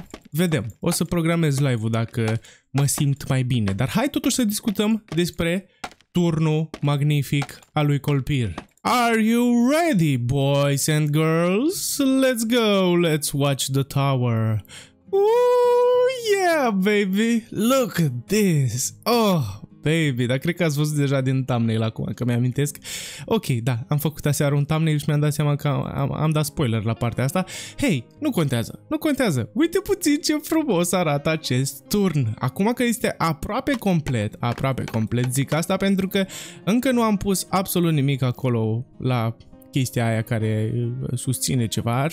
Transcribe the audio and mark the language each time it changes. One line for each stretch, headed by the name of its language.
Romanian: Vedem, o să programez live-ul dacă mă simt mai bine. Dar hai totuși să discutăm despre turnul magnific al lui Colpir.
English: Are you ready, boys and girls? Let's go, let's watch the tower. Ooh, yeah, baby, look at this. Oh, baby,
Romanian: dar cred că ați văzut deja din thumbnail acum, că mi-amintesc. Ok, da, am făcut aseară un thumbnail și mi-am dat seama că am dat spoiler la partea asta. Hey, nu contează. Uite puțin ce frumos arată acest turn. Acum că este aproape complet, zic asta pentru că încă nu am pus absolut nimic acolo la chestia aia care susține ceva.